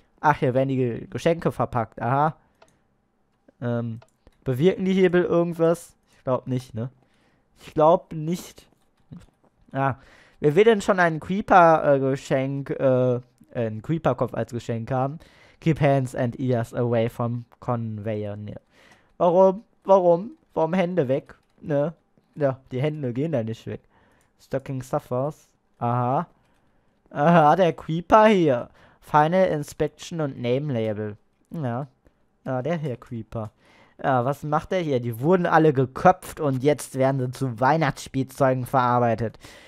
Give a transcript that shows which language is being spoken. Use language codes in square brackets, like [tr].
[de] Ach, hier werden die Geschenke verpackt. Aha. Bewirken die Hebel irgendwas? Ich glaube nicht, ne? Ich glaube nicht. Ja. Wer will denn schon ein Creeper-Geschenk, ein Creeper-Kopf als Geschenk haben? [en] Keep hands and ears away from conveyor. [de] Ne. Warum? Warum? Warum Hände weg? Ne? Ja, die Hände gehen da nicht weg. Stocking suffers. Aha. Aha, der Creeper hier. Final Inspection und Name Label. Ja. Ja, der hier Creeper. Ja, was macht der hier? Die wurden alle geköpft und jetzt werden sie zu Weihnachtsspielzeugen verarbeitet.